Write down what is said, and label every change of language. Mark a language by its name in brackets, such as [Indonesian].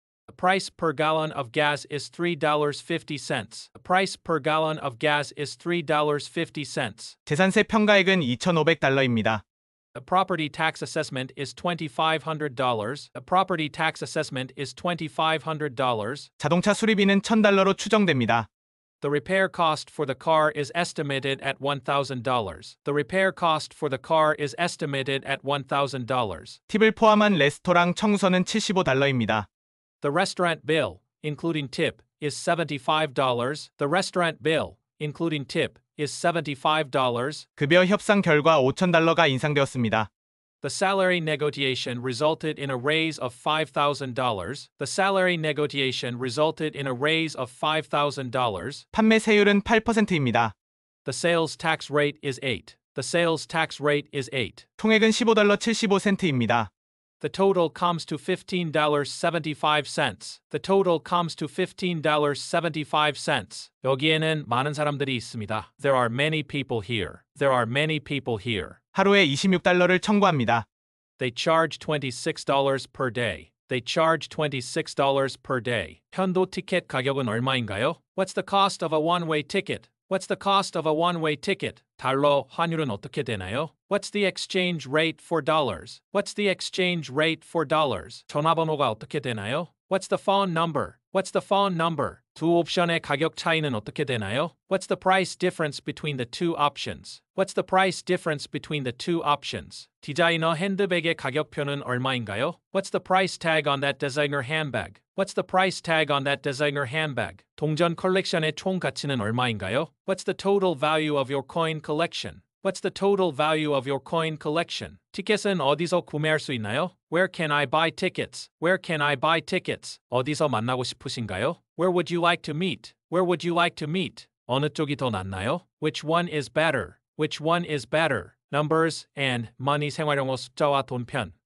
[English] The price per gallon of gas is $3.50. The price per gallon of gas is $3.50. [Korean] 재산세 평가액은 $2,500입니다. [English] The property tax assessment is $2,500. The property tax assessment is $2,500. [Korean] 자동차 수리비는 $1,000로 추정됩니다. [English] The repair cost for the car is estimated at $1,000. The repair cost for the car is estimated at $1,000. [Korean] 팁을 포함한 레스토랑 청소는 $75입니다. [English] The restaurant bill, including tip, is $75. The restaurant bill, including tip, is $75. [Korean] 급여 협상 결과 $5,000가 인상되었습니다. [English] The salary negotiation resulted in a raise of $5,000. The salary negotiation resulted in a raise of $5,000. [Korean] 판매 세율은 8%입니다. [English] The sales tax rate is 8. The sales tax rate is 8. [Korean] 총액은 $15.75입니다. [English] The total comes to $15.75. The total comes to $15.75. [Korean] 여기에는 많은 사람들이 있습니다. [English] There are many people here. There are many people here. [Korean] 하루에 $26를 청구합니다. [English] They charge $26 per day. They charge $26 per day. [Korean] 편도 티켓 가격은 얼마인가요? [English] What's the cost of a one-way ticket? What's the cost of a one-way ticket? [Korean] 달러 환율은 어떻게 되나요? [English] What's the exchange rate for dollars? What's the exchange rate for dollars? [Korean] 전화번호가 어떻게 되나요? [English] What's the phone number? What's the phone number? [Korean] 두 옵션의 가격 차이는 어떻게 되나요? [English] What's the price difference between the two options? What's the price difference between the two options? [Korean] 디자이너 핸드백의 가격표는 얼마인가요? [English] What's the price tag on that designer handbag? What's the price tag on that designer handbag? [Korean] 동전 컬렉션의 총 가치는 얼마인가요? [English] What's the total value of your coin collection? What's the total value of your coin collection? [Korean] 티켓은 어디서 구매할 수 있나요? [English] Where can I buy tickets? Where can I buy tickets? [Korean] 어디서 만나고 싶으신가요? [English] Where would you like to meet? Where would you like to meet? [Korean] 어느 쪽이 더 낫나요? [English] Which one is better? Which one is better? Numbers and money [Korean] 생활용어 숫자와 돈편.